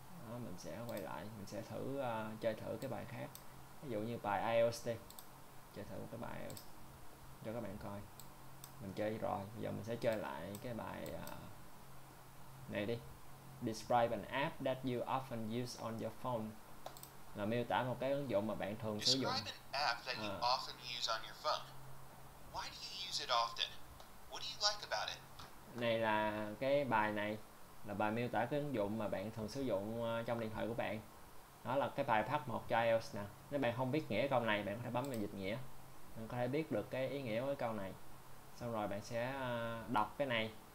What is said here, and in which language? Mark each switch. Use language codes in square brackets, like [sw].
[vi] Đó, mình sẽ quay lại, mình sẽ thử chơi thử cái bài khác. Ví dụ như bài IELTS. Chơi thử cái bài IELTS cho các bạn coi. Mình chơi rồi, bây giờ mình sẽ chơi lại cái bài này đi. [en] Describe an app that you often use on your phone. [vi] Là miêu tả một cái ứng dụng mà bạn thường sử [en] Describe [vi] dụng. [en] an app that you often use on your phone. Why do you use it often? What do you like about it? [vi] Này là cái bài này là bài miêu tả cái ứng dụng mà bạn thường sử dụng trong điện thoại của bạn. Đó là cái bài part 1 cho IELTS nè. Nếu bạn không biết nghĩa câu này, bạn có thể bấm vào dịch nghĩa. Bạn có thể biết được cái ý nghĩa của câu này. Xong rồi bạn sẽ đọc cái này.